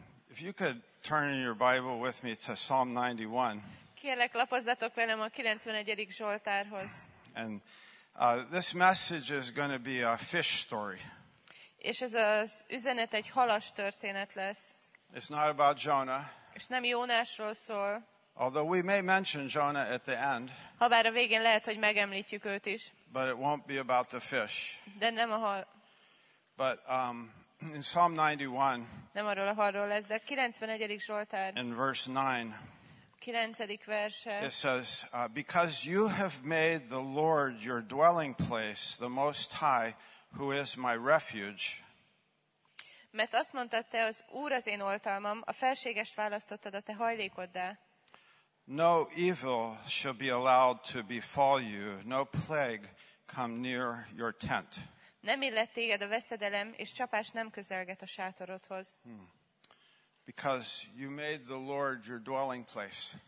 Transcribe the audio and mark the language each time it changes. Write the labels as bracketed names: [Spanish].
[English] If you could turn in your Bible with me to Psalm 91. [Hungarian] Kérlek, lapozzatok velem a 91. Zsoltárhoz. [English] And This message is going to be a fish story. [Hungarian] És ez az üzenet egy halas történet lesz. [English] It's not about Jonah. [Hungarian] És nem Jónásról szól. [English] Although we may mention Jonah at the end. [Hungarian] Habár a végén lehet, hogy megemlítjük őt is. [English] But it won't be about the fish. [Hungarian] De nem a hal. [English] But in Psalm 91. [Hungarian] Nem arról a halról lesz, de 91. Zsoltár. [English] In verse 9. [Hungarian] 9. verse. [English] It says, because you have made the Lord your dwelling place, the Most High, who is my refuge. [Hungarian] Mert azt mondtad te, az Úr az én oltalmam, a felségest választottad a te hajlékoddá. [English] No evil shall be allowed to befall you, no plague come near your tent. [Hungarian] Nem illet téged a veszedelem, és csapás nem közelget a sátorodhoz. [English] Because you made the Lord your dwelling place.